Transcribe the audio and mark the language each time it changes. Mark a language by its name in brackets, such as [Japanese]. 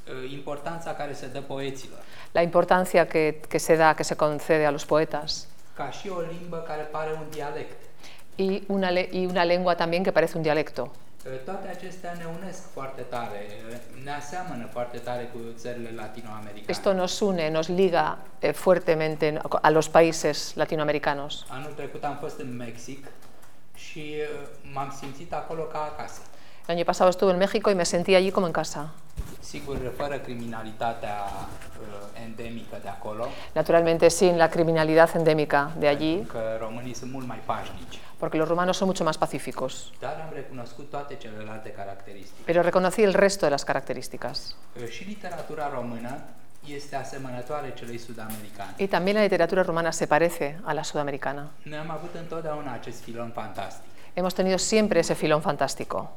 [Romanian] Importanța care se dă poeților. [Spanish] La importancia que se da, que se concede a los poetas. [Romanian] Ca și o limbă care pare un dialect. [Spanish] Y una lengua también que parece un dialecto. [Romanian] Toate acestea ne unesc foarte tare, ne aseamănă foarte tare cu țările latinoamericane. [Spanish] Esto nos une, nos liga fuertemente a los países latinoamericanos. [Romanian] Anul trecut am fost în Mexic și m-am simțit acolo ca acasă. [Spanish] El año pasado estuve en México y me sentí allí como en casa. [Romanian] Sigur, fără criminalitatea endemică de acolo. [Spanish] Naturalmente, sin la criminalidad endémica de allí. [Romanian] Că românii sunt mult mai pașnici. [Spanish] Porque los rumanos son mucho más pacíficos. [Romanian] Dar am recunoscut toate celelalte caracteristici. [Spanish] Pero reconocí el resto de las características. [Romanian] Și literatura română este asemănătoare celei sudamericane. [Spanish] Y también la literatura rumana se parece a la sudamericana. [Romanian] Ne am avut întotdeauna acest filon fantastic. [Spanish] Hemos tenido siempre ese filón fantástico.